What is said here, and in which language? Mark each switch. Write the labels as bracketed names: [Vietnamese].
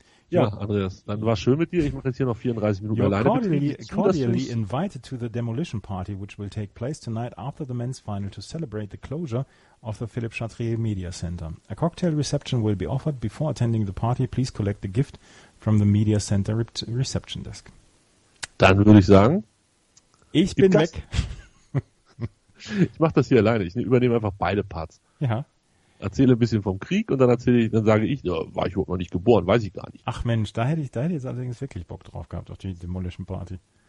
[German] Ja, Andreas, dann war schön mit dir. Ich mache jetzt hier noch 34 Minuten alleine. [English] Cordially invited to the demolition party, which will take place tonight after the men's final to celebrate the closure of the Philippe Chatrier Media Center. A cocktail reception will be offered before attending the party. Please collect the gift from the Media Center reception desk. [German] Dann würde ich sagen, ich bin weg. Ich mache das hier alleine. Ich übernehme einfach beide Parts. Ja. Erzähle ein bisschen vom Krieg und dann sage ich, ja, war ich überhaupt noch nicht geboren, weiß ich gar nicht. Ach Mensch, da hätte ich jetzt allerdings wirklich Bock drauf gehabt, auf die Demolition Party.